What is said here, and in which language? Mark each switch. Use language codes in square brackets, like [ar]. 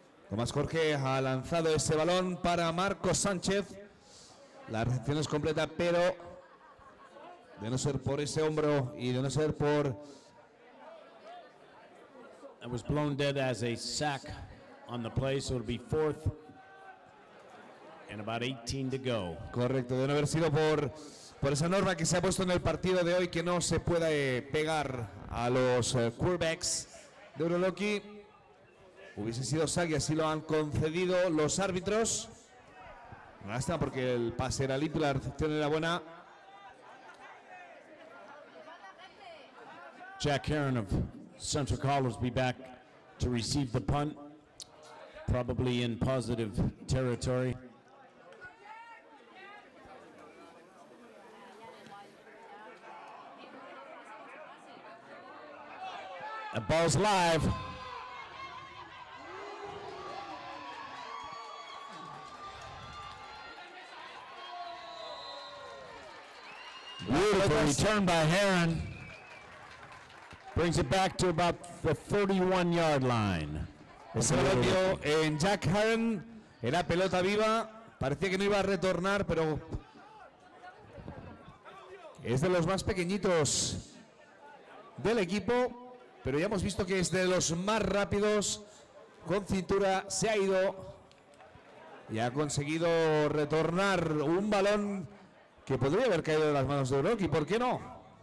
[es] Tomás Jorge ha lanzado ese balón para Marcos Sánchez. La recepción es completa, pero de no ser por ese hombro y de no ser por... [en] It was blown dead as a sack on the play, so it'll be fourth and about 18 to go. [es] Correcto, de no haber sido por esa norma que se ha puesto en el partido de hoy, que no se puede pegar a los quarterbacks de Uroloki. Hubiese sido sac y así lo han concedido los árbitros. No está porque el pase era limpio, la recepción era buena. [en] Jack Heron of Central Colors be back to receive the punt, probably in positive territory. The ball's live. Beautiful return by Heron. Brings it back to about the 31-yard line. [es] Ese balón en Jack Haren era pelota viva. Parecía que no iba a retornar, pero es de los más pequeñitos del equipo, pero ya hemos visto que es de los más rápidos. Con cintura se ha ido y ha conseguido retornar un balón que podría haber caído de las manos de Uroki. ¿Por qué no?